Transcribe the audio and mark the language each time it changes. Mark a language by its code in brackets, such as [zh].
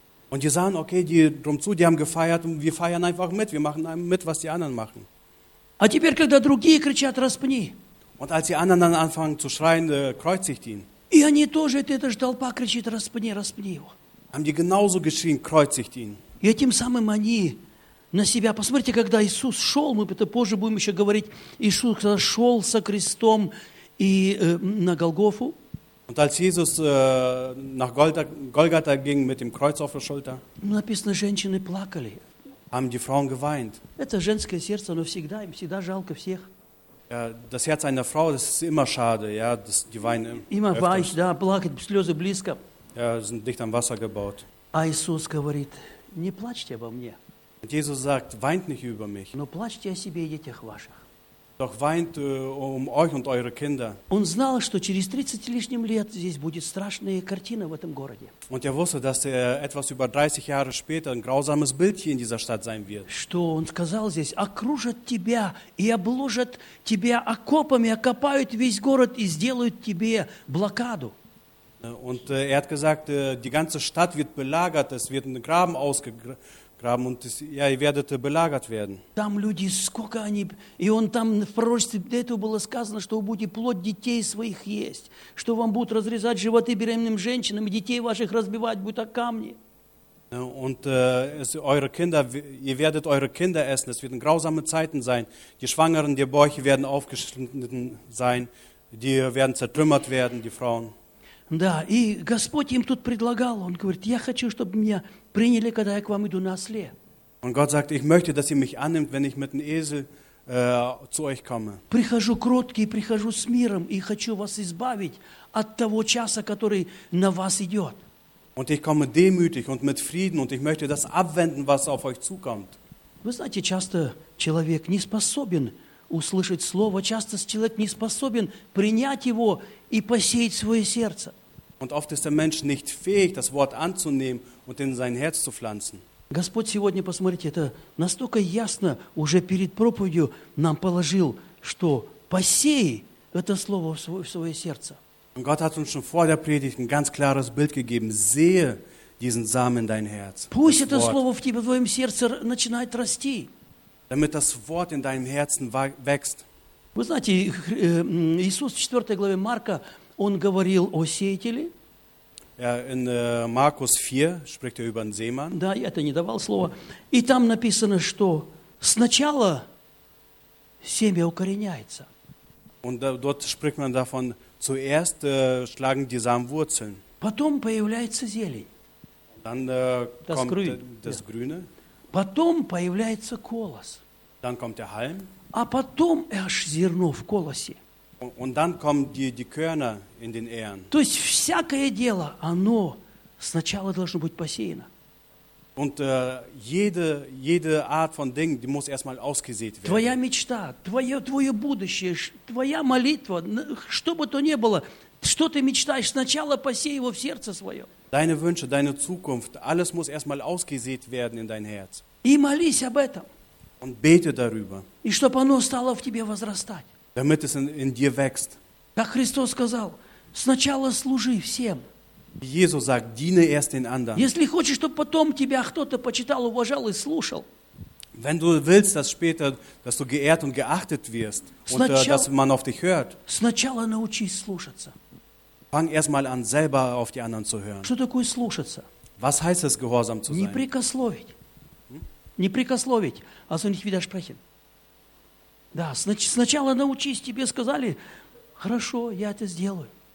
[de] Und die sagen, okay, die drum zu, die haben gefeiert, und wir feiern einfach mit, wir machen mit, was die anderen machen. [ru] А теперь, когда другие кричат, распни. [de] Und als die anderen dann anfangen zu schreien, kreuzigt ihn. [ru] И они тоже, эта же толпа кричит, распни, распни его. [de] Haben die genauso geschrien, kreuzigt ihn. [ru] И этим самым они на себя. Посмотрите, когда Иисус шел, мы это позже будем еще говорить, Иисус шел со крестом и на Голгофу. [de] Und als Jesus nach Golgatha ging mit dem Kreuz auf der Schulter, [ru] написано, женщины плакали. [de] Haben die Frauen geweint. [ru] Это женское сердце, оно всегда, им всегда жалко всех. [de] Ja, das Herz einer Frau, das ist immer schade, ja, das, die weinen immer öfters. Weich, [ru] да, плакать, слезы близко. [de] Ja, sind dicht am Wasser gebaut. [ru] А Иисус говорит, не плачьте обо мне. [de] Und Jesus sagt, weint nicht über mich. [ru] Но плачьте о себе и детях ваших. [de] Doch weint euch und eure Kinder. [ru] Он знал, что через 30 лишним лет здесь будет страшная картина в этом городе. [de] Und er wusste, dass er etwas über 30 Jahre später ein grausames Bild hier in dieser Stadt sein wird. [ru] Что он сказал здесь? Окружат тебя и обложат тебя окопами, окопают весь город и сделают тебе блокаду. [de] Und er hat gesagt, die ganze Stadt wird belagert, es wird ein Graben ausgegraben und ihr werdet belagert werden. [ru] Там люди, сколько они, и он там в пророчестве для этого было сказано, что вы будете плоть детей своих есть, что вам будут разрезать животы беременным женщинам, и детей ваших разбивать будут о камни. [de] Und eure Kinder, ihr werdet eure Kinder essen. Es werden grausame Zeiten sein. Die Schwangeren, die Bäuche werden aufgeschnitten sein. Die werden zertrümmert werden, die Frauen. [ru] Да, и Господь им тут предлагал. Он говорит, я хочу, чтобы меня приняли, когда я к вам иду на осле. [de] Und Gott sagt, ich möchte, dass ihr mich annimmt, wenn ich mit dem Esel zu euch komme. [ru] Прихожу кроткий, прихожу с миром и хочу вас избавить от того часа, который на вас идет. [de] Und ich komme demütig und mit Frieden und ich möchte das abwenden, was auf euch zukommt. [ru] Вы знаете, часто человек не способен услышать слово, часто человек не способен принять его и посеять свое сердце. [de] Und oft ist der Mensch nicht fähig, das Wort anzunehmen und in sein Herz zu pflanzen. [ru] Господь сегодня, посмотрите, это настолько ясно уже перед проповедью нам положил, что посей это слово в свое сердце. [de] Und Gott hat uns schon vor der Predigt ein ganz klares Bild gegeben. Sehe diesen Samen in dein Herz. [ru] Пусть это слово в тебе, в твоем сердце начинает расти. [de] Damit das Wort in deinem Herzen wächst. [ru] Вы знаете, Иисус в 4 главе Марка, он говорил о сеятеле. [de] Ja, in Markus 4 spricht er über einen Seemann. [ru] Да, я это не давал слово. И там написано, что сначала семя укореняется. [de] Und dort spricht man davon, zuerst schlagen die Samen Wurzeln. [ru] Потом появляется зелень. [de] Dann kommt das Grüne. [ru] Потом появляется колос. [de] Dann kommt der Halm. [ru] А потом аж зерно в колосе. [de] Und dann kommen die Körner in den Ähren. [ru] То есть всякое дело, оно сначала должно быть посеяно. [de] Und jede Art von Ding, die muss erstmal ausgesät werden. [ru] Твоя мечта, твое будущее, твоя молитва, что бы то ни было, что ты мечтаешь, сначала посей его в сердце свое. [de] Deine Wünsche, deine Zukunft, alles muss erstmal ausgesät werden in dein Herz. [ru] И молись об этом. [de] Und bete darüber. [ru] И чтоб оно стало в тебе возрастать. [de] Damit es in dir wächst. [ru] Как Христос сказал, сначала служи всем. [de] Jesus sagt, diene erst den anderen. [ru] Если хочешь, чтобы потом тебя кто-то почитал, уважал и слушал. [de] Wenn du willst, dass später, dass du geehrt und geachtet wirst und dass man auf dich hört. [ru] Сначала научись слушаться. [de] Fang erstmal an, selber auf die anderen zu hören. [ru] Что такое слушаться? [de] Was heißt es, gehorsam zu sein? [ru] Не прикословить. Не прикословить, [de] also nicht widersprechen. [ru] Да, сначала научись, тебе сказали, хорошо, я это сделаю.